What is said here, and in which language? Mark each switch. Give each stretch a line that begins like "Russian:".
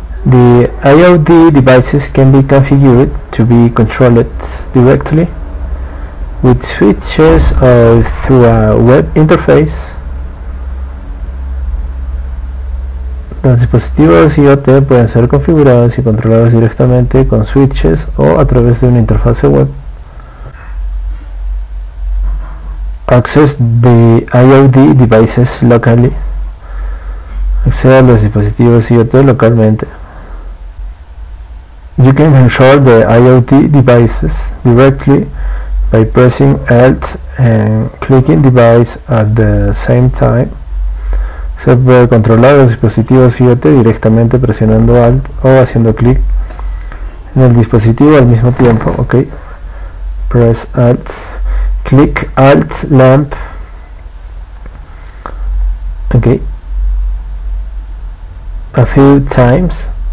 English: The IoT devices can be configured to be controlled directly with switches or through a web interface.
Spanish: Los dispositivos IoT pueden ser configurados y controlados directamente con switches o a través de una interfaz web.
English: Access the IoT devices locally.
Spanish: Acceder a los dispositivos IoT localmente.
English: You can control the IoT devices directly by pressing Alt and clicking device at the same time.
Spanish: Se puede controlar los dispositivos IoT directamente presionando Alt o haciendo clic en el dispositivo al mismo tiempo.
English: Ok, press Alt, click Alt Lamp. Ok, a few times.